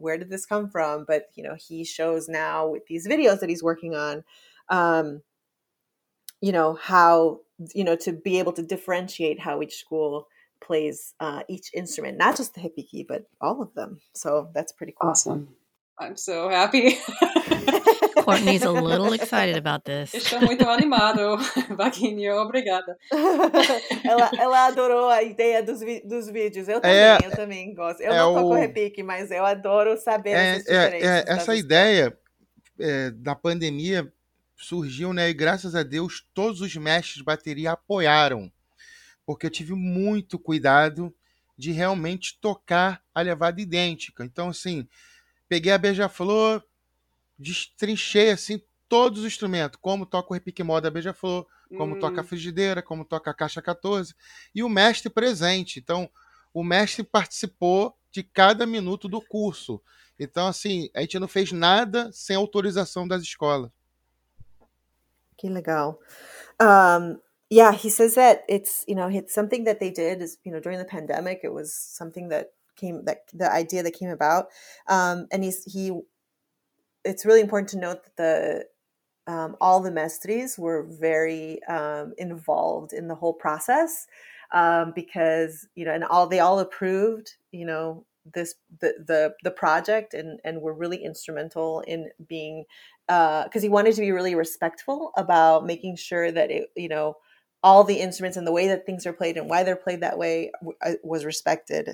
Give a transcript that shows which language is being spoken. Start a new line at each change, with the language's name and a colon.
English: Where did this come from? But, you know, he shows now with these videos that he's working on, you know, how, you know, to be able to differentiate how each school plays each instrument, not just the hippie key, but all of them. So that's pretty cool. Awesome. I'm so happy. Courtney's a little excited about this.
Portuguese: Estou muito animado, Waguinho. Obrigada. Ela adorou a ideia dos vídeos. Eu também gosto. Eu não toco repique, mas eu adoro saber essas diferenças Essa das escolas. ideia da pandemia surgiu, né? E graças a Deus, todos os mestres de bateria apoiaram, porque eu tive muito cuidado de realmente tocar a levada idêntica. Então, assim, peguei a beija-flor, destrinchei assim todos os instrumentos, como toca o repique moda beija-flor, como toca a frigideira, como toca a caixa 14, e o mestre presente. Então, o mestre participou de cada minuto do curso. Então, assim, a gente não fez nada sem autorização das escolas. Que legal.
English: Yeah, he says that it's, you know, it's something that they did is, you know, during the pandemic, it was something that came, that the idea that came about. And it's really important to note that all the mestres were very involved in the whole process, because, you know, and they all approved, you know, the project and were really instrumental in being, because he wanted to be really respectful about making sure that it, you know, all the instruments and the way that things are played and why they're played that way was respected.